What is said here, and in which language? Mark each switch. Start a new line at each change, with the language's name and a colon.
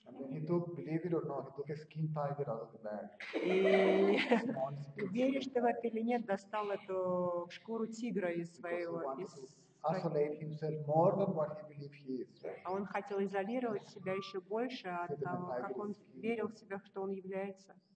English: He took, believe it or not, he took a skin tiger out of the bag.
Russian: Веришь ты в это или нет, достал эту шкуру тигра из своего.
English: Isolate himself more than what he believed he is.
Russian: А он хотел изолировать себя еще больше от того, как он верил в себя, что он является.